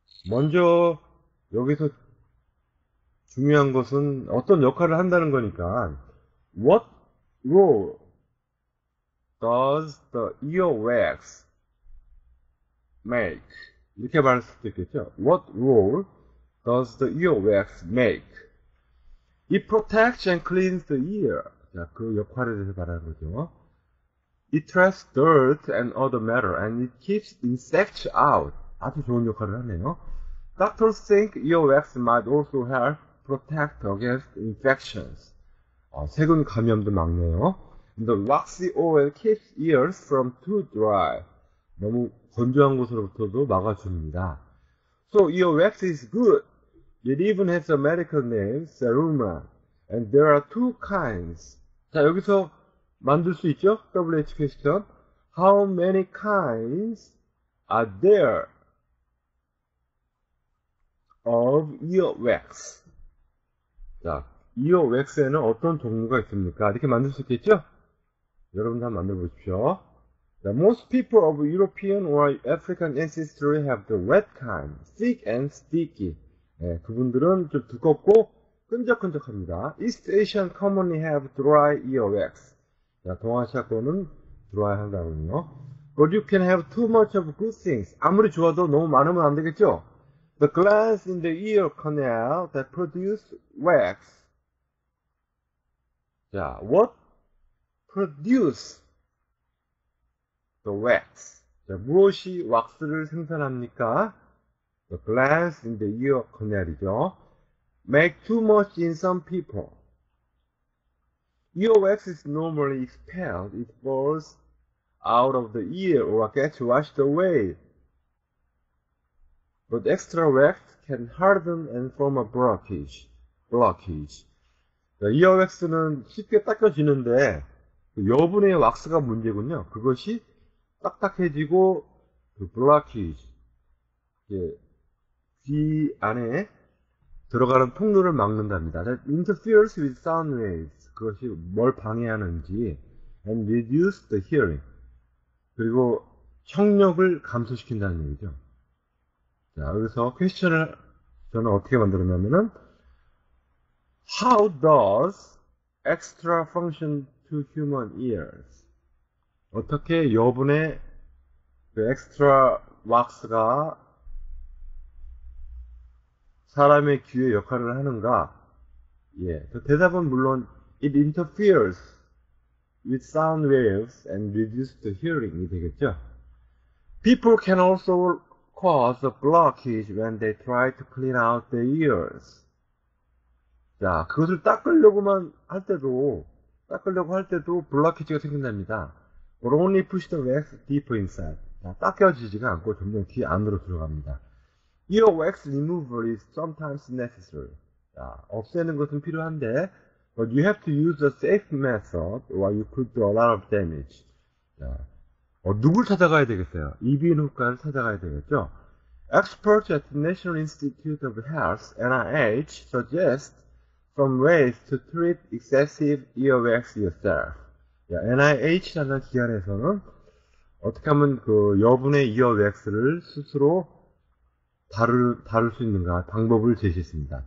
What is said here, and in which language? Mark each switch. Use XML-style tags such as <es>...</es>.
<ko>먼저 여기서 중요한 것은 어떤 역할을 한다는 거니까,</ko> <en>What role does the earwax make?</en> <ko>이렇게 말할 수도 있겠죠.</ko> <en>What role does the earwax make? It protects and cleans the ear.</en> <ko>자, 그 역할에 대해서 말하는 거죠.</ko> <en>It traps dirt and other matter and it keeps insects out.</en> <ko>아주 좋은 역할을 하네요.</ko> <en>Doctors think earwax might also help protect against infections.</en> <ko>세균 감염도 막네요.</ko> <en>The waxy oil keeps ears from too dry.</en> <ko>너무 건조한 곳으로부터도 막아줍니다.</ko> <en>So ear wax is good. It even has a medical name, Seruma. And there are two kinds.</en> <ko>자, 여기서 만들 수 있죠?</ko> <en>WH question. How many kinds are there of ear wax?</en> <ko>자, 이어 웩스에는 어떤 종류가 있습니까? 이렇게 만들 수 있겠죠? 여러분도 한번 만들어 보십시오.</ko> <en>The most people of European or African ancestry have the wet kind, thick and sticky.</en> <ko>네, 그분들은 좀 두껍고 끈적끈적합니다.</ko> <en>East Asian commonly have dry earwax.</en> <ko>자, 동아시아 거는 dry 한다군요.</ko> <en>But you can have too much of good things.</en> <ko>아무리 좋아도 너무 많으면 안 되겠죠?</ko> <en>The glands in the ear canal that produce wax. 자, what produce the wax?</en> <ko>자, 무엇이 왁스를 생산합니까?</ko> <en>The glands in the ear canal이죠. Make too much in some people. Earwax is normally expelled. It falls out of the ear or gets washed away. But extra wax can harden and form a blockage.</en> <ko>자, 이어웩스는 쉽게 닦여지는데 그 여분의 왁스가 문제군요. 그것이 딱딱해지고 그 블록키지 이게 귀 안에 들어가는 통로를 막는답니다.</ko> <en>That interferes with sound waves.</en> <ko>그것이 뭘 방해하는지</ko> <en>and reduce the hearing.</en> <ko>그리고 청력을 감소시킨다는 얘기죠. 자, 여기서 퀘스천을 저는 어떻게 만들었냐면은</ko> <en>How does extra function to human ears?</en> <ko>어떻게 여분의 그 extra wax가 사람의 귀에 역할을 하는가? 예. 그 대답은 물론</ko> <en>It interferes with sound waves and reduces the hearing이 되겠죠. People can also cause a blockage when they try to clean out their ears.</en> <ko>자, 그것을 닦으려고만 할 때도, 닦으려고 할 때도 블록키지가 생긴답니다.</ko> <en>But only push the wax deeper inside.</en> <ko>자, 닦여지지가 않고 점점 귀 안으로 들어갑니다.</ko> <en>Ear wax removal is sometimes necessary.</en> <ko>자, 없애는 것은 필요한데,</ko> <en>but you have to use a safe method or you could do a lot of damage.</en> <ko>자, 누굴 찾아가야 되겠어요? 이비인후과를 찾아가야 되겠죠?</ko> <en>Experts at the National Institute of Health, NIH, suggest some ways to treat excessive earwax yourself.</en> <ko>자, NIH라는 기관에서는 어떻게 하면 그 여분의 earwax를 스스로 다룰 수 있는가 방법을 제시했습니다.</ko>